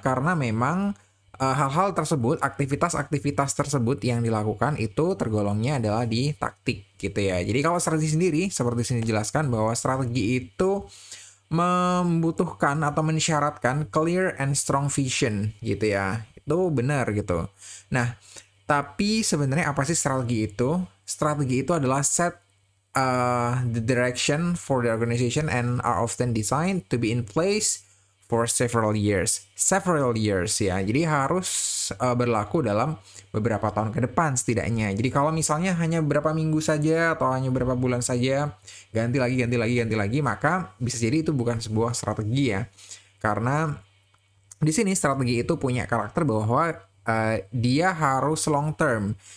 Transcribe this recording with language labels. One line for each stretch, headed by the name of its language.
Indonesian: Karena memang hal-hal tersebut, aktivitas-aktivitas tersebut yang dilakukan itu tergolongnya adalah di taktik gitu ya. Jadi kalau strategi sendiri, seperti sini dijelaskan bahwa strategi itu membutuhkan atau mensyaratkan
English: clear and strong vision
Indonesian: gitu ya. Itu benar gitu. Nah, tapi sebenarnya apa sih strategi itu? Strategi itu adalah
English: set the direction for the organization and are often designed to be in place for several years ya.
Indonesian: Jadi harus berlaku dalam beberapa tahun ke depan setidaknya. Jadi kalau misalnya hanya beberapa minggu saja atau hanya beberapa bulan saja, ganti lagi, maka bisa jadi itu bukan sebuah strategi ya. Karena di sini strategi itu punya karakter bahwa dia harus long term.